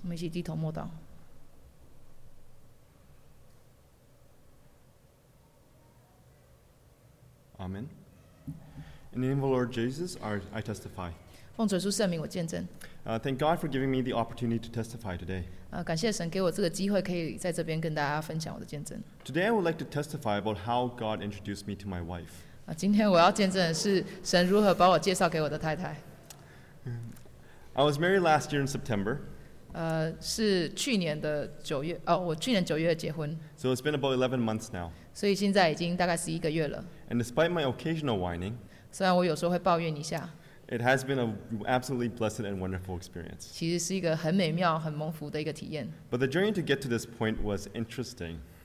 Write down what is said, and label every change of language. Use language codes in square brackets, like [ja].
[zh] 我们一起低头默祷。 [en] Amen. In the name of the Lord Jesus, I testify. [zh] 奉主耶稣圣名，我见证。 [en] Thank God for giving me the opportunity to testify today. [zh] 感谢神给我这个机会，可以在这边跟大家分享我的见证。 [en] Today I would like to testify about how God introduced me to my wife. [zh] 今天我要见证的是神如何把我介绍给我的太太。 [en] I was married last year in September. [zh] 我去年九月结婚。 [en] So it's been about 11 months now. [zh] 所以现在已经大概11个月了。 [en] And despite my occasional whining, [zh] 虽然我有时候会抱怨一下。 [en] It has been an absolutely blessed and wonderful experience. [zh] 其实是一个很美妙、很蒙福的一个体验。 [en] But the journey to get to this point was interesting.